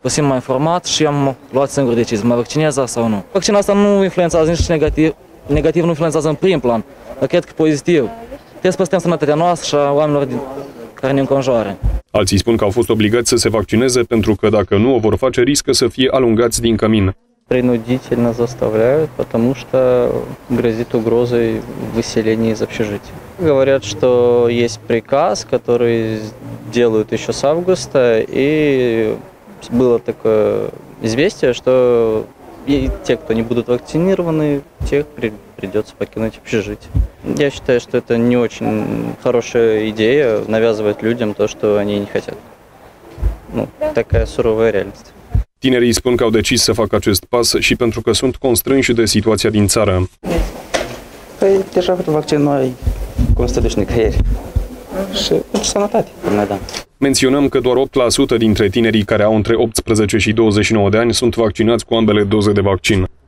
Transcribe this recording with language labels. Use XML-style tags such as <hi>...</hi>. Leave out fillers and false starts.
<ro>Mă simt mai informat și am luat singur decizie, mă vaccinez sau nu. Vaccinul asta nu influențează nici negativ, nu influențează în prim plan, dar cred că pozitiv. Trebuie să păstrăm sănătatea noastră și a oamenilor care ne înconjoară. Alții spun că au fost obligați să se vaccineze pentru că dacă nu o vor face, riscă să fie alungați din cămin.</ro> <ru>Принудительно заставляют, потому что грозит угрозой выселения из общежития. Говорят, что есть приказ, который делают еще с августа, и было такое известие, что и те, кто не будут вакцинированы, тех придется покинуть общежитие. Я считаю, что это не очень хорошая идея навязывать людям то, что они не хотят. Ну, такая суровая реальность.</ru> <ro>Tinerii spun că au decis să facă acest pas și pentru că sunt constrânși de situația din țară. Păi, deja cu vaccin nu ai cum să te duci nicăieri. Și pentru sănătate. Da. Menționăm că doar 8% dintre tinerii care au între 18 și 29 de ani sunt vaccinați cu ambele doze de vaccin.</ro>